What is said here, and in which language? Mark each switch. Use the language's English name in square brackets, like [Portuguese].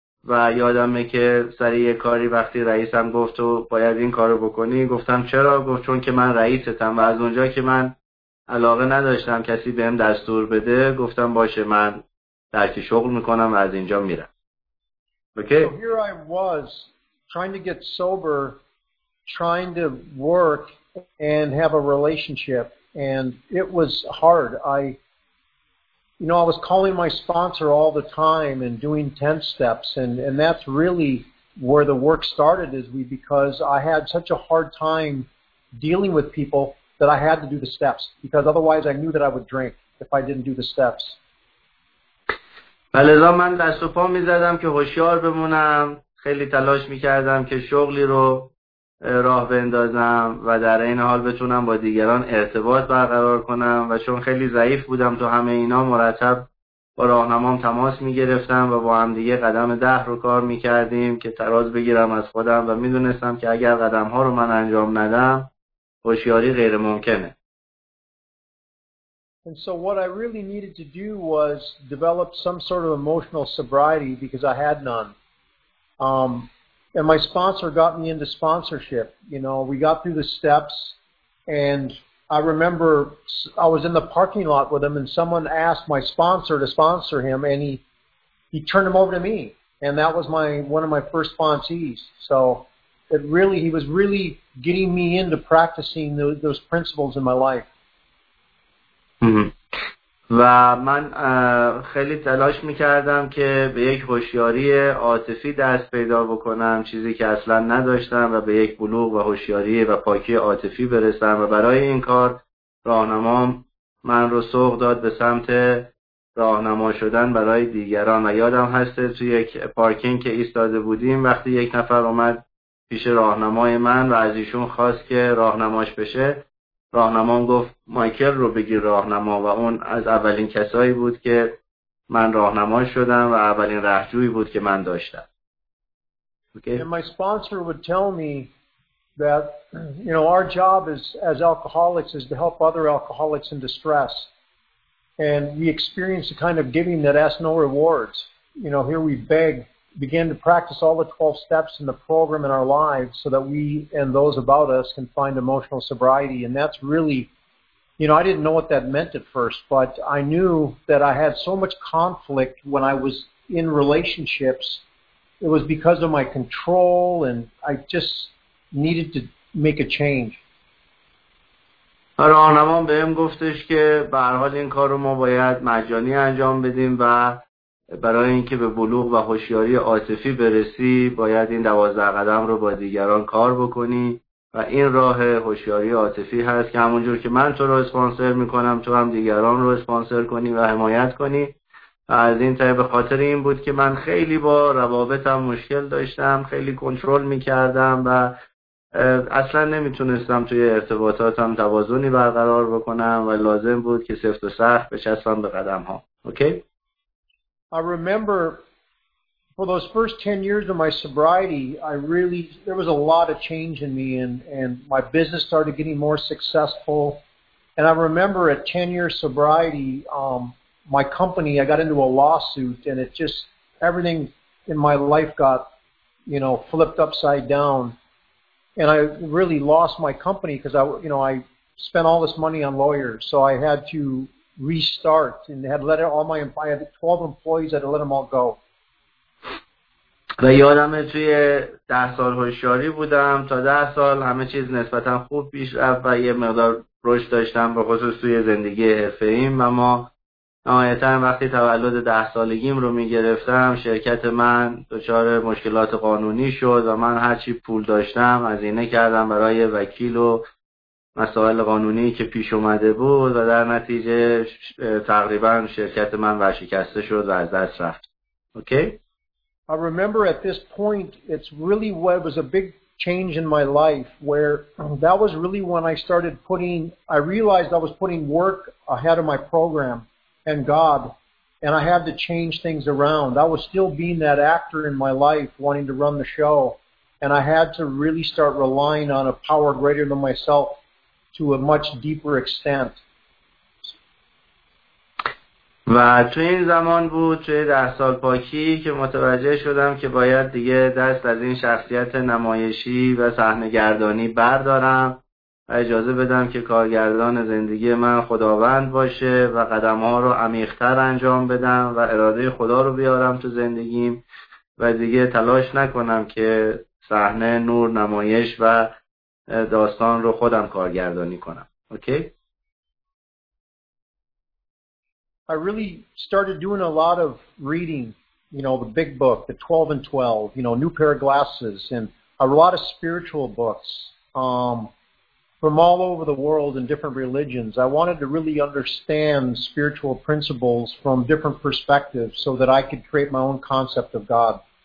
[Persian] و یادمه که سر یه کاری وقتی رئیسم گفت تو باید این کارو بکنی، گفتم چرا؟ گفت چون که من رئیستم. و از اونجا که من علاقه نداشتم کسی بهم دستور بده، گفتم باشه من درکی شغل میکنم و از اینجا میرم. اوکی؟ [English] So here I was trying to get sober, trying to work and have a relationship, and it was hard. You know, I was calling my sponsor all the time and doing 10 steps, and that's really where the work started, is because I had such a hard time dealing with people that I had to do the steps, because otherwise I knew that I would drink if I didn't do the steps. [Persian] بله، من دست و پا می زدم که هوشیار بمونم، خیلی تلاش می کردم که شغلی رو راه بندازم و در این حال بتونم با دیگران ارتباط برقرار کنم، و چون خیلی ضعیف بودم تو همه اینا، مرتب با راهنمام تماس می گرفتم و با هم دیگه قدم 10 رو کار می کردیم که تراز بگیرم از خودم، و می دونستم که اگر قدم ها رو من انجام ندم هوشیاری غیر ممکنه. [English] And so what I really needed to do was develop some sort of emotional sobriety, because I had none. And my sponsor got me into sponsorship. You know, we got through the steps, and I remember I was in the parking lot with him, and someone asked my sponsor to sponsor him, and he turned him over to me, and that was one of my first sponsees. So it really, he was really getting me into practicing those principles in my life. [Persian] و من خیلی تلاش میکردم که به یک هوشیاری عاطفی دست پیدا بکنم، چیزی که اصلا نداشتم، و به یک بلوغ و هوشیاری و پاکی عاطفی برسم. و برای این کار راهنمام من رو سوق داد به سمت راهنما شدن برای دیگران. و یادم هست توی یک پارکینگ که ایستاده بودیم، وقتی یک نفر اومد پیش راهنمای من و از ایشون خواست که راهنماش بشه، راهنمام گفت مایکل رو بگیر راهنما، و اون از اولین کسایی بود که من راهنما شدم و اولین راهجویی بود که من داشتم. [English] Okay. And my sponsor would tell me that, you know, our job as alcoholics is to help other alcoholics in distress. And we experience a kind of giving that has no rewards. You know, here we beg, begin to practice all the 12 steps in the program in our lives so that we and those about us can find emotional sobriety. And that's really, you know, I didn't know what that meant at first, but I knew that I had so much conflict when I was in relationships. It was because of my control, and I just needed to make a change. [Persian] راهنمام بهم گفتش که به هر حال این کار رو ما باید مجانی انجام بدیم، و برای اینکه به بلوغ و هوشیاری عاطفی برسی باید این 12 قدم رو با دیگران کار بکنی، و این راه هوشیاری عاطفی هست که همونجور که من تو رو اسپانسر میکنم، تو هم دیگران رو اسپانسر کنی و حمایت کنی. و از این طریق به خاطر این بود که من خیلی با روابطم مشکل داشتم، خیلی کنترل میکردم و اصلا نمیتونستم توی ارتباطاتم توازنی برقرار بکنم، و لازم بود که سفت و سخت بچسبم به قدم ها. اوکی؟ [English] I remember for those first 10 years of my sobriety, there was a lot of change in me, and my business started getting more successful. And I remember at 10 years sobriety, my company, I got into a lawsuit, and it just, everything in my life got, you know, flipped upside down. And I really lost my company because I spent all this money on lawyers, so I had to restart, and had let all my employees, I had 12 employees, had to let them all go. [Persian] و یادمه توی 10 سال هوشیاری بودم، تا 10 سال همه چیز نسبتا خوب پیش رفت و یه مقدار رشد داشتم به خصوص توی زندگی حرفه‌ایم. اما نهایتا وقتی تولد 10 سالگیم رو میگرفتم، شرکت من دچار مشکلات قانونی شد و من هرچی پول داشتم هزینه کردم برای وکیل و مسائل قانونی که پیش اومده بود، و در نتیجه تقریبا شرکت من ورشکسته شد و از دست رفت. اوکی؟ [English] I remember at this point, it's really what was a big change in my life, where that was really when I realized I was putting work ahead of my program and God, and I had to change things around. I was still being that actor in my life, wanting to run the show, and I had to really start relying on a power greater than myself to a much deeper extent. [Persian] و تو این زمان بود توی 10 سال پاکی که متوجه شدم که باید دیگه دست از این شخصیت نمایشی و صحنه‌گردانی بردارم و اجازه بدم که کارگردان زندگی من خداوند باشه و قدم‌ها رو عمیق‌تر انجام بدم و اراده خدا رو بیارم تو زندگیم و دیگه تلاش نکنم که صحنه نور نمایش و داستان رو خودم کارگردانی کنم. اوکی؟ [English] I really started doing a lot of reading, you know, the big book, the 12 and 12, you know, new pair of glasses, and a lot of spiritual books from all over the world in different religions. I wanted to really understand spiritual principles from different perspectives so that I could create my own concept of God.